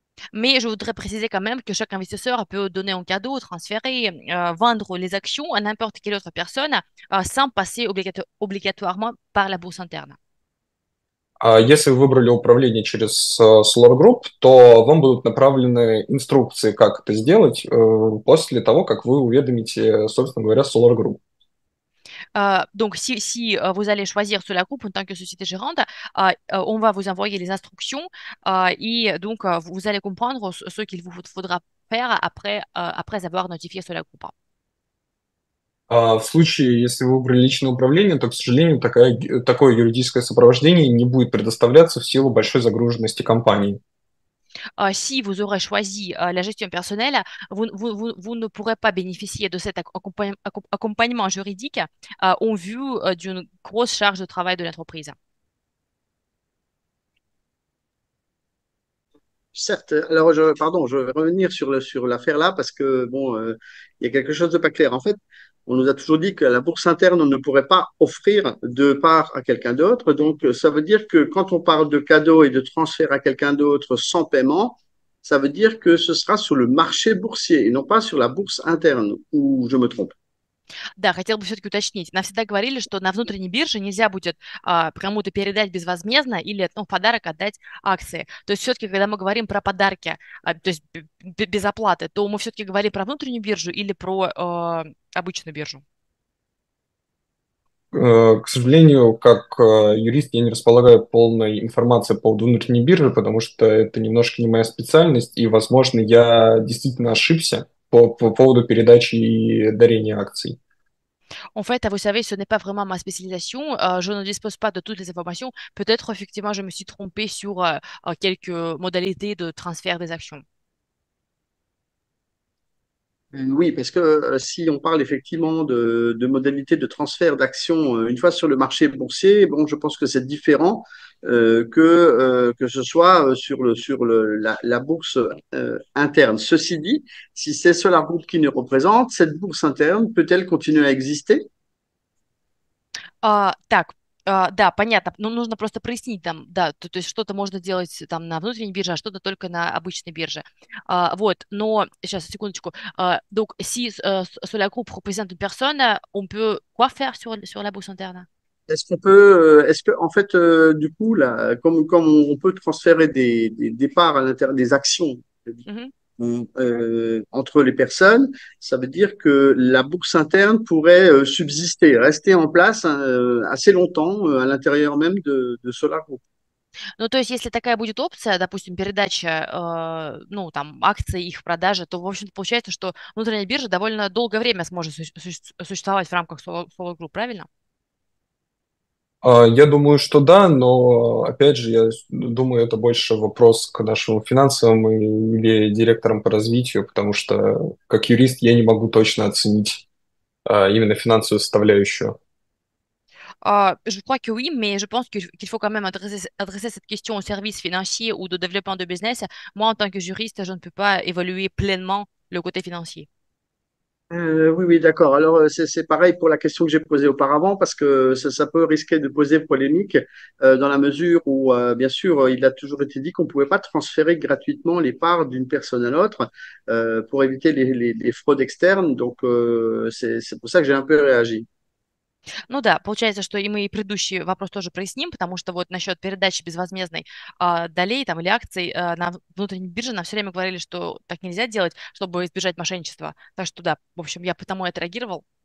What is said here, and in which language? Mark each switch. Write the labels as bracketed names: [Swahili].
[French] Mais je voudrais préciser quand même que chaque investisseur peut donner un cadeau, transférer, vendre les actions à n'importe quelle autre personne, sans passer obligatoirement par la bourse interne. [Russian] Если вы выбрали управление через Solar Group, то вам будут направлены инструкции, как это сделать, после того, как вы уведомите, собственно говоря, Solar Group. [French] Donc, si vous allez choisir Solar Group en tant que société gérante, on va vous envoyer les instructions et donc vous allez comprendre ce qu'il vous faudra faire après avoir notifié sur la groupe. [Russian] В случае, если вы выбрали личное управление, то, к сожалению, такое юридическое сопровождение не будет предоставляться в силу большой загруженности компании. [French] Si vous aurez choisi la gestion personnelle, vous ne pourrez pas bénéficier de cet accompagnement juridique en vue d'une grosse charge de travail de l'entreprise. Certes, alors pardon, je vais revenir sur l'affaire là parce que bon, il y a quelque chose de pas clair. En fait, on nous a toujours dit que la bourse interne, on ne pourrait pas offrir de part à quelqu'un d'autre. Donc, ça veut dire que quand on parle de cadeau et de transfert à quelqu'un d'autre sans paiement, ça veut dire que ce sera sur le marché boursier et non pas sur la bourse interne, ou je me trompe? [Russian] Да, хотел бы все-таки уточнить. Нам всегда говорили, что на внутренней бирже нельзя будет кому-то передать безвозмездно или в подарок отдать акции. То есть все-таки, когда мы говорим про подарки, то есть без оплаты, то мы все-таки говорим про внутреннюю биржу или про обычную биржу. К сожалению, как юрист, я не располагаю полной информацией по поводу внутренней биржи, потому что это немножко не моя специальность, и, возможно, я действительно ошибся по поводу передачи и дарения акций. [French] En fait, vous savez, ce n'est pas vraiment ma spécialisation. Je ne dispose pas de toutes les informations. Peut-être, effectivement, je me suis trompée sur quelques modalités de transfert des actions. Oui, parce que si on parle effectivement de modalités de transfert d'actions une fois sur le marché boursier, bon, je pense que c'est différent que ce soit sur la bourse interne. Ceci dit, si c'est Solar Group qui nous représente, cette bourse interne peut-elle continuer à exister? [Russian] Да, понятно. Но нужно просто прояснить там, да, то есть что-то можно делать там на внутренней бирже, а что-то только на обычной бирже. Вот, но сейчас, секундочку. [French] Donc, si sur la groupe représente une personne, on peut quoi faire sur la bourse interne? En fait, du coup, là, comme on peut transférer des parts à l'intérieur des actions entre les personnes, ça veut dire que la bourse interne pourrait subsister, rester en place assez longtemps à l'intérieur même de Solar Group. [Russian] Ну, то есть, если такая будет опция, допустим, передача, ну, там, акций, их продажи, то, в общем-то, получается, что внутренняя биржа довольно долгое время сможет существовать в рамках Solar Group, правильно? Я думаю, что да, но опять же, я думаю, это больше вопрос к нашему финансовому или директорам по развитию, потому что как юрист я не могу точно оценить именно финансовую составляющую. [French] Je crois que oui, mais je pense qu'il faut quand même adresser cette question au service financier ou de développement de business. Moi, en tant que juriste, je ne peux pas évaluer pleinement le côté financier. Oui, d'accord. Alors, c'est pareil pour la question que j'ai posée auparavant, parce que ça peut risquer de poser polémique, dans la mesure où, bien sûr, il a toujours été dit qu'on ne pouvait pas transférer gratuitement les parts d'une personne à l'autre, pour éviter les fraudes externes. Donc, c'est pour ça que j'ai un peu réagi. [Russian] Ну да, получается, что и мы и предыдущий вопрос тоже проясним, потому что вот насчет передачи безвозмездной долей там, или акций на внутренней бирже нам все время говорили, что так нельзя делать, чтобы избежать мошенничества. Так что да, в общем, я потому и отреагировал.